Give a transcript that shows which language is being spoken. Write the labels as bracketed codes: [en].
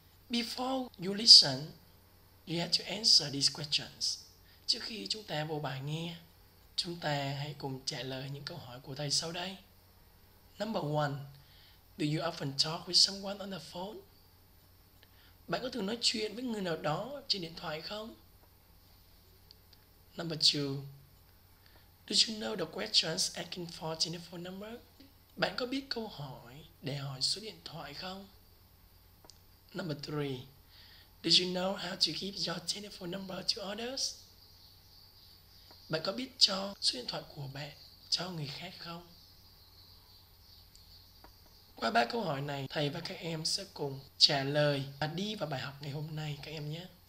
[en] Before you listen, you have to answer these questions. [vi] Trước khi chúng ta vô bài nghe, chúng ta hãy cùng trả lời những câu hỏi của thầy sau đây. [en] Number one, do you often talk with someone on the phone? [vi] Bạn có thường nói chuyện với người nào đó trên điện thoại không? [en] Number two, do you know the questions asking for the phone number? [vi] Bạn có biết câu hỏi để hỏi số điện thoại không? [en] Number three, do you know how to give your telephone number to others? [vi] Bạn có biết cho số điện thoại của bạn cho người khác không? Qua ba câu hỏi này, thầy và các em sẽ cùng trả lời và đi vào bài học ngày hôm nay các em nhé.